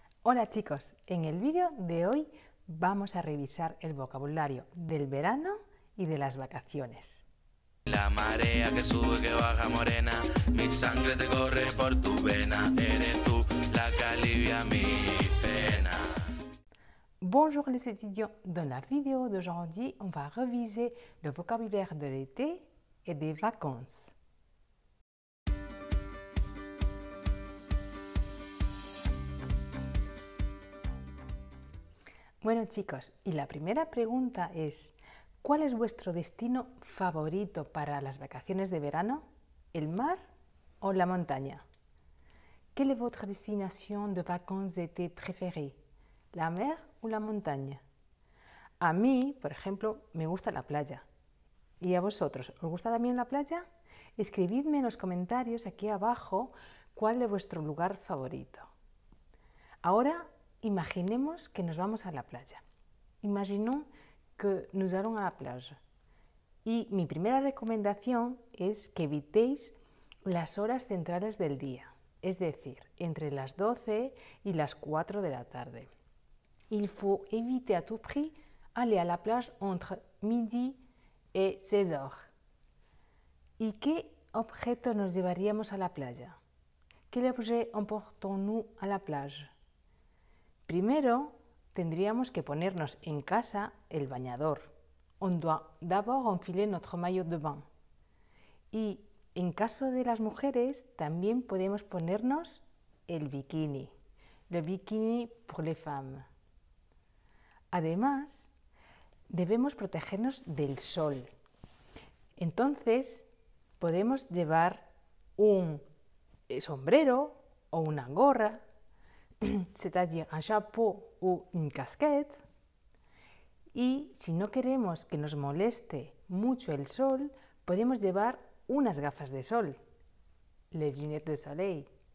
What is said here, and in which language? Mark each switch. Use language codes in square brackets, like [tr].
[es] Hola chicos, en el vídeo de hoy vamos a revisar el vocabulario del verano y de las vacaciones. La marea que sube que baja morena, mi sangre te corre por tu vena, eres tú la que alivia mi pena. [fr] Bonjour les étudiants, dans la vidéo d'aujourd'hui, on va reviser le vocabulaire de l'été et des vacances. [es] Bueno chicos, y la primera pregunta es, ¿cuál es vuestro destino favorito para las vacaciones de verano? ¿El mar o la montaña? [fr] ¿Quelle est votre destination de vacances d'été préférée? ¿La mer [es] o la montaña? A mí, por ejemplo, me gusta la playa. ¿Y a vosotros, os gusta también la playa? Escribidme en los comentarios aquí abajo cuál es vuestro lugar favorito. Ahora, imaginemos que nos vamos a la playa. [fr] Imaginons que nous allons à la plage. [es] Y mi primera recomendación es que evitéis las horas centrales del día, es decir, entre las 12 y las 4 de la tarde. [fr] Il faut éviter à tout prix aller à la plage entre midi et 16 heures. [es] ¿Y qué objeto nos llevaríamos a la playa? [fr] ¿Quel objet emportons-nous à la plage? [es] Primero, tendríamos que ponernos en casa el bañador. [fr] On doit d'abord enfiler notre maillot de bain. [es] Y en caso de las mujeres, también podemos ponernos el bikini. [fr] Le bikini pour les femmes. [es] Además, debemos protegernos del sol. Entonces, podemos llevar un sombrero o una gorra, [fr] c'est-à-dire un chapeau ou une casquette. [es] Y si no queremos que nos moleste mucho el sol, podemos llevar unas gafas de sol, [fr] les lunettes de soleil.